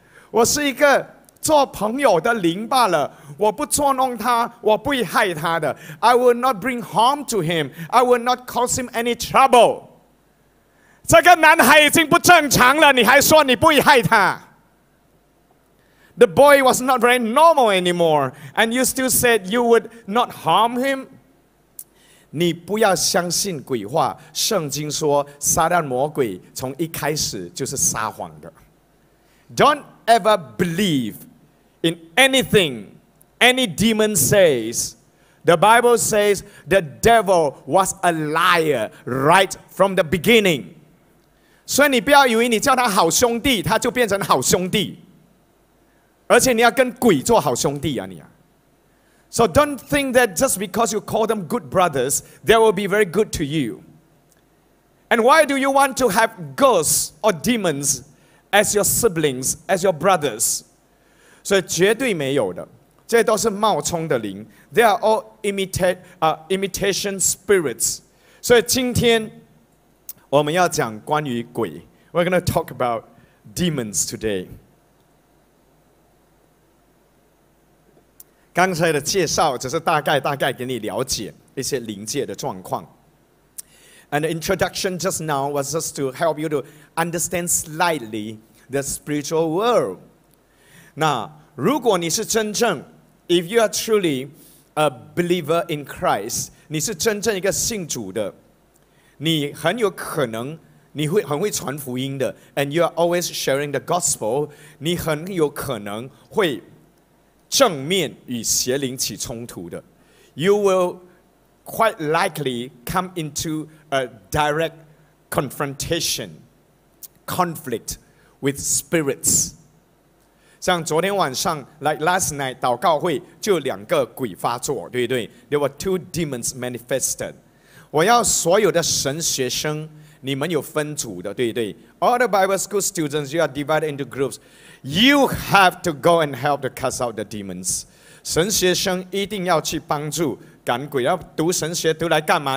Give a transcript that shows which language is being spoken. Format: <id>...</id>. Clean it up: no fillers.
<zh>我是一个做朋友的灵罢了，我不捉弄他，我不会害他的。</zh> <en>I will not bring harm to him. I will not cause him any trouble.</en> <zh>这个男孩已经不正常了，你还说你不会害他。</zh> <en>The boy was not very normal anymore, and you still said you would not harm him.</en> <zh>你不要相信鬼话，圣经说撒旦魔鬼从一开始就是撒谎的。</zh> <en>Don't ever believe in anything any demon says. The Bible says the devil was a liar right from the beginning.</en> <zh>所以你不要以为你叫他好兄弟他就变成好兄弟，而且你要跟鬼做好兄弟啊你啊。</zh> <en>So don't think that just because you call them good brothers, they will be very good to you. And why do you want to have ghosts or demons as your siblings, as your brothers?</en> <zh>所以绝对没有的，这都是冒充的灵。</zh> <en>They are all imitation spirits.</en> <zh>所以今天我们要讲关于鬼。</zh> <en>We're going to talk about demons today.</en> <zh>刚才的介绍只是大概给你了解一些灵界的状况。</zh> <en>And the introduction just now was just to help you to understand slightly the spiritual world.</en> <zh>那如果你是真正</zh> <en>If you are truly a believer in Christ,</en> <zh>你是真正一个信主的，你很有可能你会很会传福音的，</zh> <en>And you are always sharing the gospel,</en> <zh>你很有可能会正面与邪灵起冲突的。</zh> <en>You will quite likely come into a direct confrontation, conflict with spirits.</en> <zh>像昨天晚上</zh> <en>like last night,</en> <zh>祷告会就两个鬼发作，对不对？</zh> <en>There were two demons manifested.</en> <zh>我要所有的神学生，你们有分组的，对不对？</zh> <en>All the Bible school students, you are divided into groups. You have to go and help to cast out the demons.</en> <zh>神学生一定要去帮助赶鬼，要读神学读来干嘛？</zh>